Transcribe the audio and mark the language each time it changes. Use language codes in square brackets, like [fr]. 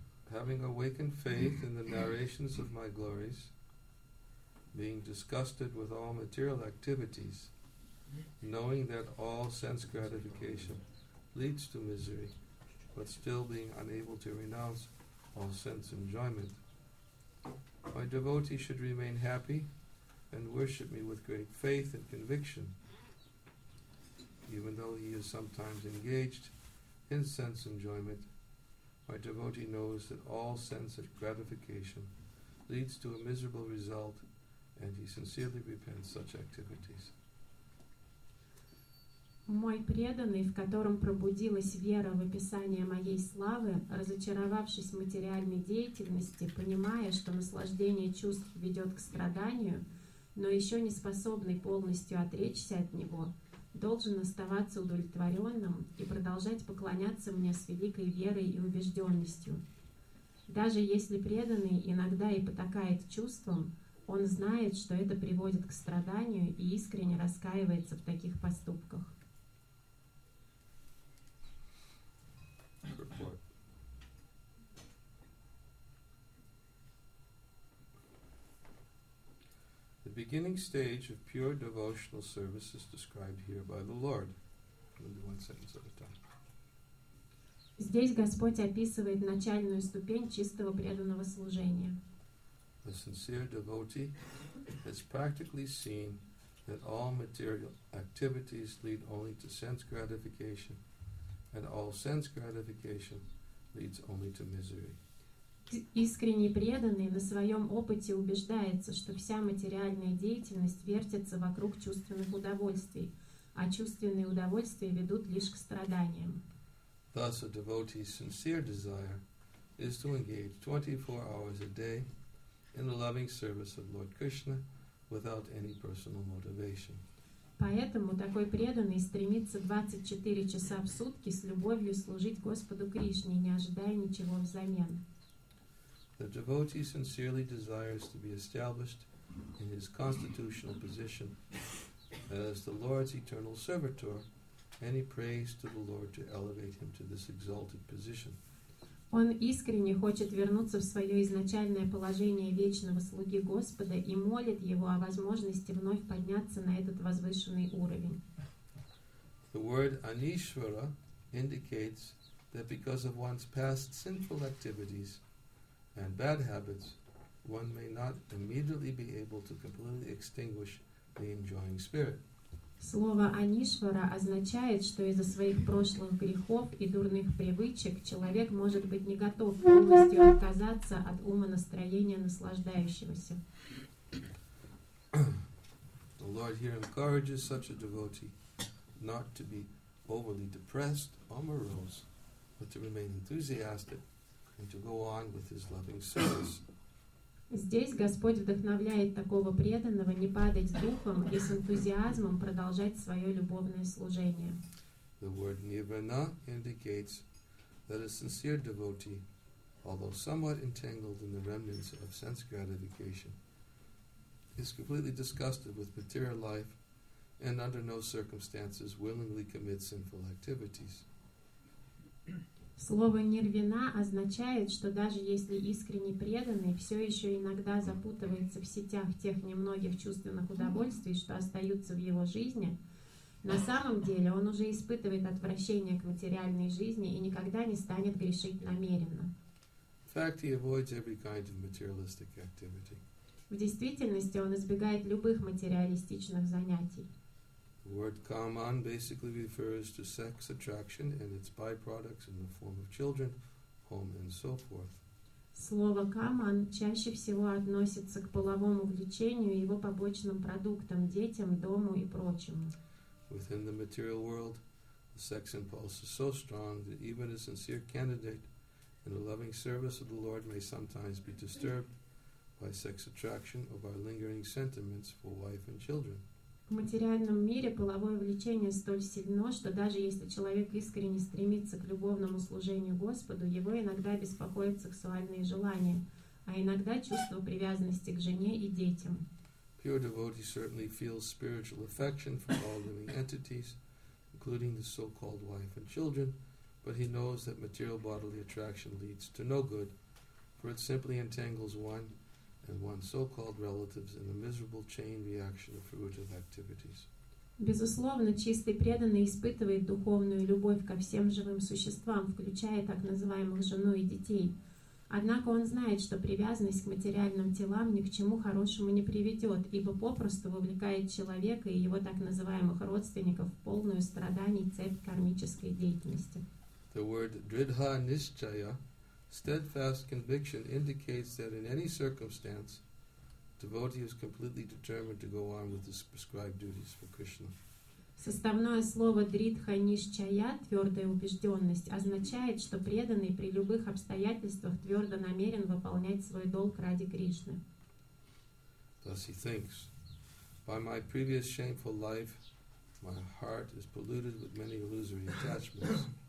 [en] Having awakened faith in the narrations of my glories, being disgusted with all material activities, knowing that all sense gratification leads to misery, but still being unable to renounce all sense enjoyment, my devotee should remain happy and worship me with great faith and conviction, even though he is sometimes engaged in sense enjoyment. My devotee knows that all sense of gratification leads to a miserable result, and he sincerely repents such activities. [ru] Мой преданный, в котором пробудилась вера в описание моей славы, разочаровавшись в материальной деятельности, понимая, что наслаждение чувств ведет к страданию, но еще не способный полностью отречься от него, должен оставаться удовлетворенным и продолжать поклоняться мне с великой верой и убежденностью. Даже если преданный иногда и потакает чувствам, он знает, что это приводит к страданию и искренне раскаивается в таких поступках. [en] Report. beginning stage of pure devotional service is described here by the Lord. Maybe one sentence at a time. [ru] Здесь Господь описывает начальную ступень чистого преданного служения. [en] The sincere devotee has practically seen that all material activities lead only to sense gratification, and all sense gratification leads only to misery. [ru] Искренний преданный на своем опыте убеждается, что вся материальная деятельность вертится вокруг чувственных удовольствий, а чувственные удовольствия ведут лишь к страданиям. [en] Thus, a devotee's sincere desire is to engage 24 hours a day in the loving service of Lord Krishna without any personal motivation. [ru] Поэтому такой преданный стремится 24 часа в сутки с любовью служить Господу Кришне, не ожидая ничего взамен. [en] The devotee sincerely desires to be established in his constitutional position as the Lord's eternal servitor, and he prays to the Lord to elevate him to this exalted position. [ru] Он искренне хочет вернуться в свое изначальное положение вечного слуги Господа и молит его о возможности вновь подняться на этот возвышенный уровень. [en] The word Anishvara indicates that because of one's past sinful activities and bad habits, one may not immediately be able to completely extinguish the enjoying spirit. [ru] Слово Анишвара означает, что из-за своих прошлых грехов и дурных привычек человек может быть не готов полностью отказаться от ума настроения наслаждающегося. [en] The Lord here encourages such a devotee not to be overly depressed or morose, but to remain enthusiastic and to go on with his loving service. [ru] Здесь Господь вдохновляет такого преданного не падать духом и с энтузиазмом продолжать свое любовное служение. [en] The word nirvana indicates that a sincere devotee, although somewhat entangled in the remnants of sense gratification, is completely disgusted with material life and under no circumstances willingly commits sinful activities. [ru] Слово «нирвина» означает, что даже если искренне преданный, все еще иногда запутывается в сетях тех немногих чувственных удовольствий, что остаются в его жизни, на самом деле он уже испытывает отвращение к материальной жизни и никогда не станет грешить намеренно. [en] In fact, he avoids every kind of materialistic activity. [ru] В действительности он избегает любых материалистичных занятий. [en] The word kaman basically refers to sex attraction and its byproducts in the form of children, home, and so forth. [ru] Слово каман чаще всего относится к половому влечению и его побочным продуктам, детям, дому и прочему. [en] Within the material world, the sex impulse is so strong that even a sincere candidate in the loving service of the Lord may sometimes be disturbed by sex attraction or by lingering sentiments for wife and children. [ru] В материальном мире половое влечение столь сильно, что даже если человек искренне стремится к любовному служению Господу, его иногда беспокоят сексуальные желания, а иногда чувство привязанности к жене и детям. [en] Pure devotee certainly feels spiritual affection for all living entities, including the so-called wife and children, but he knows that material bodily attraction leads to no good, for it simply entangles one and one's so-called relatives in a miserable chain reaction of fruitive activities. [ru] Безусловно, чистый преданный испытывает духовную любовь ко всем живым существам, включая так называемых жену и детей. Однако он знает, что привязанность к материальным телам ни к чему хорошему не приведет, ибо попросту вовлекает человека и его так называемых родственников в полную страданий цепь кармической деятельности. [en] The word dridha nischaya, steadfast conviction, indicates that in any circumstance, devotee is completely determined to go on with his prescribed duties for Krishna. [ru] Составное слово дридха нишчая, твердая убежденность, означает, что преданный при любых обстоятельствах твердо намерен выполнять свой долг ради Кришны. [en] Thus he thinks, by my previous shameful life, my heart is polluted with many illusory attachments.